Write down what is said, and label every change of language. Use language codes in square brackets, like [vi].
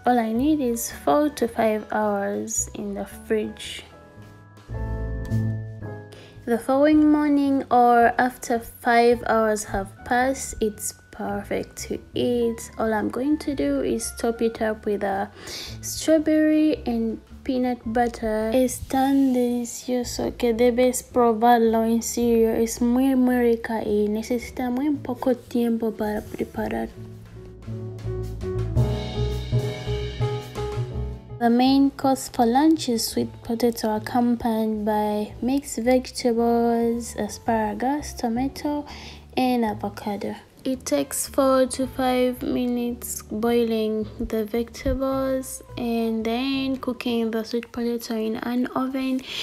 [en] All I need is 4 to 5 hours in the fridge. The following morning or after 5 hours have passed, it's perfect to eat. All I'm going to do is top it up with a strawberry and peanut butter. [es] Es tan delicioso que debes probarlo en serio. Es muy muy rica y necesita muy poco tiempo para preparar. [en] The main course for lunch is sweet potato accompanied by mixed vegetables, asparagus, tomato, and avocado. It takes 4 to 5 minutes boiling the vegetables and then cooking the sweet potato in an oven.